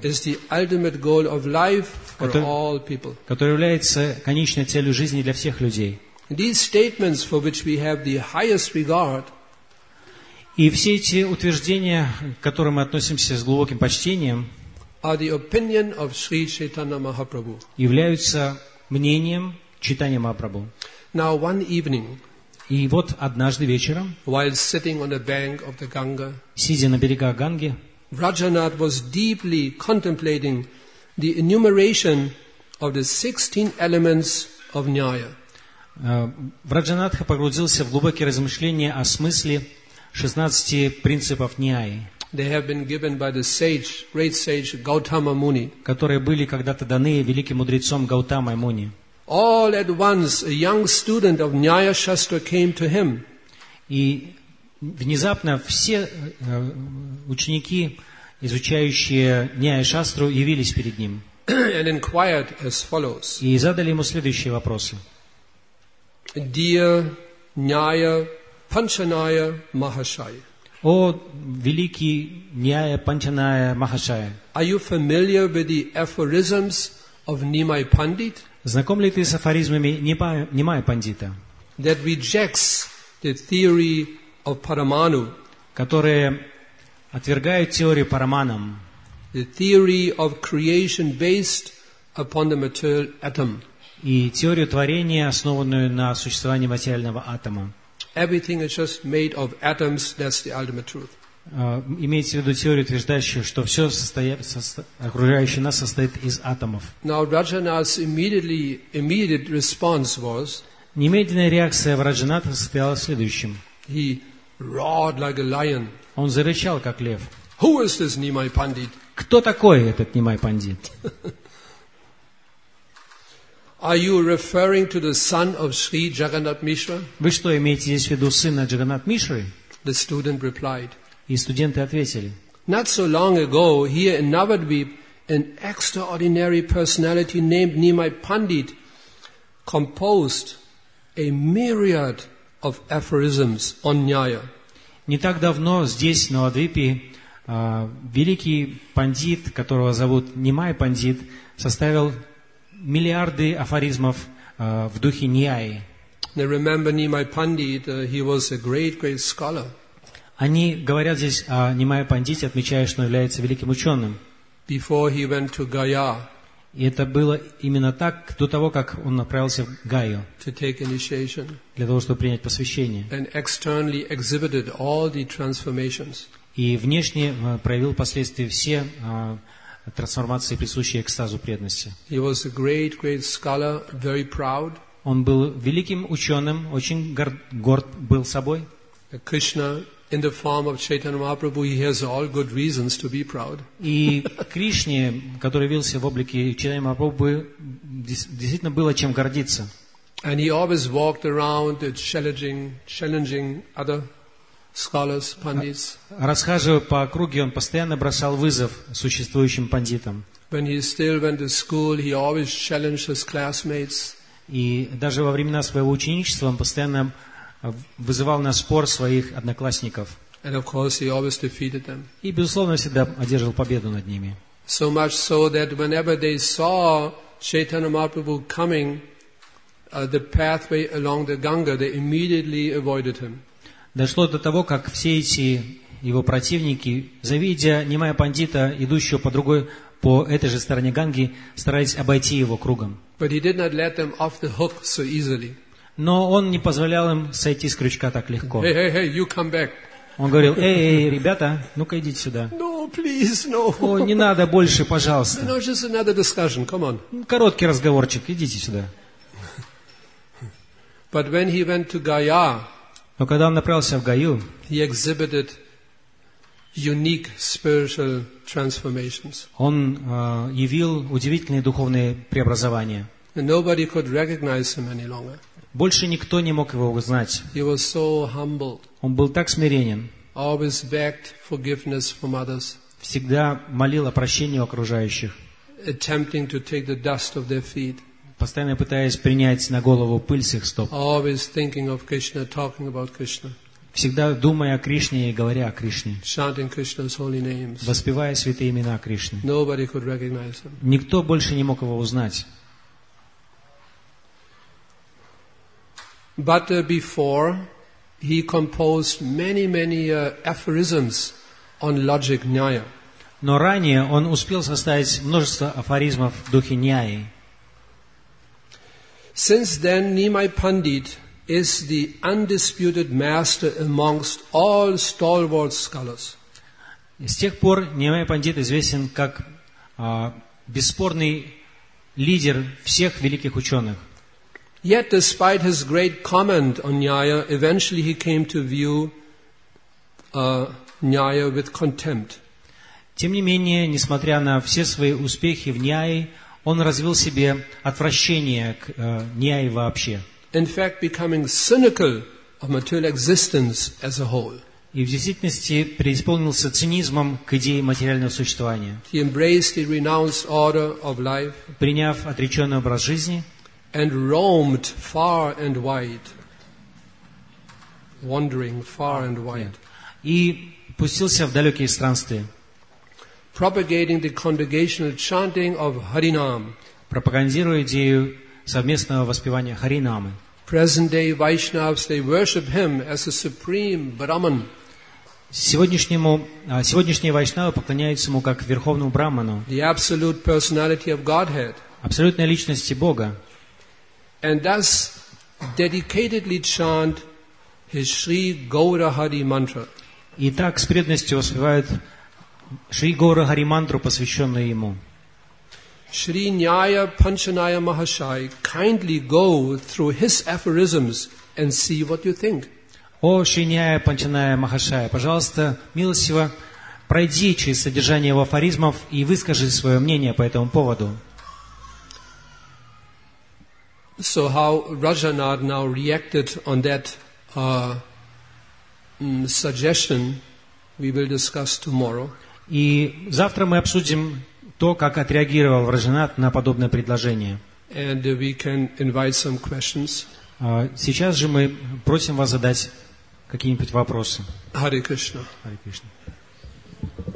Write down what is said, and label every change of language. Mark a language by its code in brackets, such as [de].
[en] is the ultimate goal of life for all people. [ru] Который является конечной целью жизни для всех людей. [en] These statements for which we have the highest regard, [ru] и все эти утверждения, к которым мы относимся с глубоким почтением, [en] are the opinion of Sri Chaitanya Mahaprabhu. [ru] Являются мнением Чайтаньи Махапрабху. [en] Now one evening, [ru] и вот однажды вечером, [en] while sitting on the bank of the Ganga, [ru] сидя на берегах Ганги, [en] Rajanath was deeply contemplating the enumeration of the 16 elements of Nyaya. [ru] Раджанатха погрузился в глубокие размышления о смысле 16 принципов Нияи. [en] They have been given by the sage, great sage Gautama Muni, [ru] которые были когда-то даны великим мудрецом Гаутамой Муни. [en] All at once, a young student of Nyaya Shastra came to him. [ru] И внезапно все ученики, изучающие Nyaya Shastra, явились перед ним. [en] And inquired as follows. [ru] И задали ему следующие вопросы. [en] Dear Nyaya Panchanaya Mahashaya. [ru] О, великий Nyaya Panchanaya Mahashaya. [en] Are you familiar with the aphorisms of Nimai Pandit? [ru] Знаком ли ты с афоризмами Нимая Пандита, [en] that rejects the theory of Paramanu, [ru] которые отвергают теорию Параманам, [en] the theory of creation based upon the material atom, [ru] и теорию творения, основанную на существовании материального атома? [en] Everything is just made of atoms, that's the ultimate truth. [ru] Имеется в виду теорию, утверждающую, что все окружающее нас состоит из атомов. [en] Now Rajanath's immediate response was, [ru] Немедленная реакция Враджаната состояла в следующем. [en] He roared like a lion. [ru] Он зарычал, как лев. [en] Who is this Nimai Pandit? [ru] Кто такой этот Нимай Пандит? [en] Are you referring to the son of Sri Jagannath Mishra? [ru] Вы что, имеете здесь в виду сына Джаганнат Мишры? [en] The student replied. [ru] И студенты ответили. [en] Not so long ago, here in Navadvip, an extraordinary personality named Nimai Pandit composed a myriad of aphorisms on Nyaya. [ru] Не так давно здесь, в Навадвипе, великий пандит, которого зовут Нимай Пандит, составил миллиарды афоризмов в духе Ньяи. [en] They remember Nimai Pandit, he was a great, great scholar. [ru] Они говорят здесь о Нимай Пандите, отмечая, что он является великим ученым. [en] Before he went to Gaya. [ru] И это было именно так, до того, как он направился в Гаю. [en] To take initiation. [ru] Для того, чтобы принять посвящение. [en] And externally exhibited all the transformations. [ru] И внешне проявил последствия все трансформации, присущие экстазу преданности. [en] He was a great, great scholar, very proud. [ru] Он был великим ученым, очень горд был собой. [en] Krishna, in the form of Chaitanya Mahaprabhu, he has all good reasons to be proud. [ru] И Кришне, который явился в облике Чайтанья Махапрабху, действительно было чем гордиться. [en] And he always walked around challenging other scholars, pandits. [ru] Расхаживая по округе, он постоянно бросал вызов существующим пандитам. [en] When he still went to school, he always challenged his classmates. [ru] И даже во времена своего ученичества он постоянно вызывал на спор своих одноклассников. [en] And of course, he always defeated them. [ru] И, безусловно, всегда одерживал победу над ними. [en] So much so that whenever they saw Chaitanya Mahaprabhu coming, the pathway along the Ganga, they immediately avoided him. [ru] Дошло до того, как все эти его противники, завидя Нимая Пандита, идущего по другой, по этой же стороне Ганги, старались обойти его кругом. [en] But he did not let them off the hook so easily. [ru] Но он не позволял им сойти с крючка так легко. [en] Hey, hey, hey, you come back. [ru] Он говорил, эй, ребята, ну-ка идите сюда. [en] No, please, no. [ru] О, не надо больше, пожалуйста. [en] No, just another discussion. Come on. [ru] Короткий разговорчик, идите сюда. [en] But when he went to Gaya, [ru] но когда он направился в Гаю, [en] he exhibited unique spiritual transformations. [ru] Он явил удивительные духовные преобразования. [en] Nobody could recognize him any longer. [ru] Больше никто не мог его узнать. [en] He was so humble. [ru] Он был так смиренен. [en] Always begged forgiveness from others. [ru] Всегда молил о прощении у окружающих. [en] Attempting to take the dust off their feet. [ru] Постоянно пытаясь принять на голову пыль с их стоп. [en] Always thinking of Krishna, talking about Krishna. [ru] Всегда думая о Кришне и говоря о Кришне. [en] Chanting Krishna's holy names. [ru] Воспевая святые имена Кришны. [en] Nobody could recognize him. [ru] Никто больше не мог его узнать. [en] But before, he composed many aphorisms on logic Nyaya. [ru] Но ранее он успел составить множество афоризмов в духе Ньяи. [en] Since then, Nimai Pandit is the undisputed master amongst all stalwart scholars. [ru] С тех пор Нимай Пандит известен как бесспорный лидер всех великих ученых. [en] Yet, despite his great comment on Nyaya, eventually he came to view Nyaya with contempt. [ru] Тем не менее, несмотря на все свои успехи в Ньяи, он развил себе отвращение к Ньяи вообще. [en] In fact, becoming cynical of material existence as a whole. [ru] И в действительности преисполнился цинизмом к идее материального существования. [en] He embraced the renounced order of life. [ru] Приняв отреченный образ жизни. [en] And roamed far and wide, wandering far and wide. [ru] И пустился в далекие странствия. [en] Propagating the congregational chanting of Harinam. [ru] Пропагандируя идею совместного воспевания Харинамы. [en] Present-day Vaishnavas, they worship him as a supreme Brahman. [ru] Сегодняшние Вайшнавы поклоняются ему как верховному Брахману. [en] The absolute personality of Godhead. [ru] Абсолютной личности Бога. [en] And thus dedicatedly chant his Sri Gaura Hari mantra. [ru] И так с преданностью воспевает Шри Гаура Хари мантру, посвященную ему. [en] Shri Nyaya Panchanaya Mahashai, kindly go through his aphorisms and see what you think. [ru] О, Шри Нияя Панчаная Махашая, пожалуйста, милостиво, пройди через содержание его афоризмов и выскажи свое мнение по этому поводу. [en] So how Rajanar now reacted on that suggestion, we will discuss tomorrow. [ru] И завтра мы обсудим то, как отреагировал Раджанат на подобное предложение. [en] And we can invite some questions. [ru] Сейчас же мы просим вас задать какие-нибудь вопросы. [en] Hare Krishna. Hare Krishna.